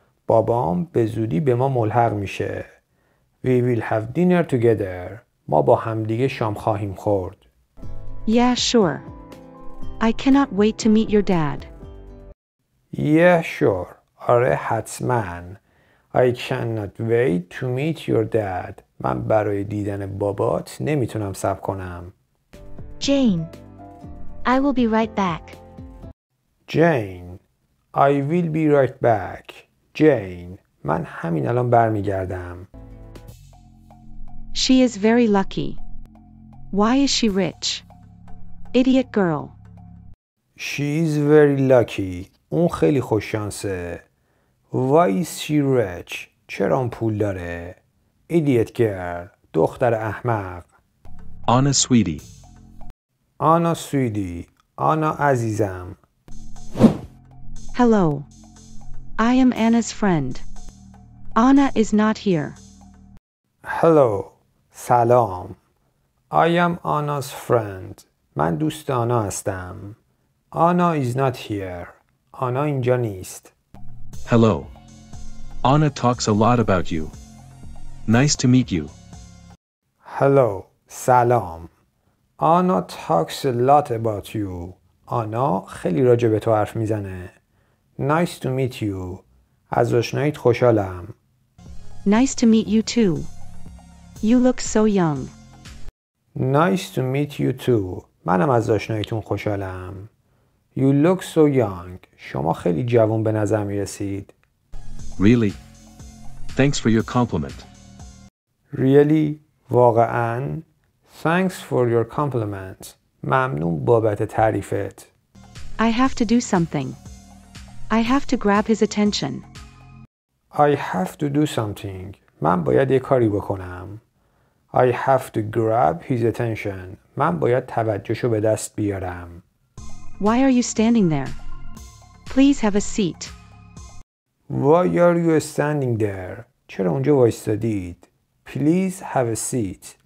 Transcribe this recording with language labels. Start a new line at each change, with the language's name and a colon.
Persian: بابام به زودی به ما ملحق میشه.
English: We will have dinner together.
Persian: ما با هم دیگه شام خواهیم خورد.
English: Yeah, sure. I cannot wait to meet your dad. Yeah, sure.
Persian: آره حتما.
English: I cannot wait to meet your dad.
Persian: من برای دیدن بابات نمیتونم صبر کنم.
English: Jane, I will be right back. Jane, I will be right back.
Persian: Jane, من همین الان برمیگردم.
English: She is very lucky. Why is she rich? Idiot girl. She is very lucky.
Persian: اون خیلی خوششانسه.
English: Why is she rich?
Persian: چرا اون پول داره؟
English: Idiot girl.
Persian: دختر احمق.
English: Anna sweetie. Anna sweetie. Anna
Persian: عزیزم.
English: Hello. I am Anna's friend. Anna is not here. Hello.
Persian: سلام.
English: I am Anna's friend.
Persian: من دوست آنا هستم.
English: Anna is not here.
Persian: آنا اینجا نیست.
English: Hello. Anna talks a lot about you. Nice to meet you. Hello.
Persian: سلام.
English: Anna talks a lot about you.
Persian: آنا خیلی راجع به تو حرف میزنه.
English: Nice to meet you.
Persian: از آشناییت خوشحالم.
English: Nice to meet you too. You look so young. Nice to meet you too.
Persian: منم از آشناییتون خوشحالم.
English: You look so young.
Persian: شما خیلی جوان به نظر میرسید.
English: Really? Thanks for your compliment. Really?
Persian: واقعاً؟
English: Thanks for your compliment.
Persian: ممنون بابت تعریفت.
English: I have to do something. I have to grab his attention. I have to do something.
Persian: من باید یه کاری بکنم.
English: I have to grab his attention.
Persian: من باید توجهشو به دست بیارم.
English: Why are you standing there? Please have a seat. Why are you standing there?
Persian: چرا اونجا وایستادید؟
English: Please have a seat.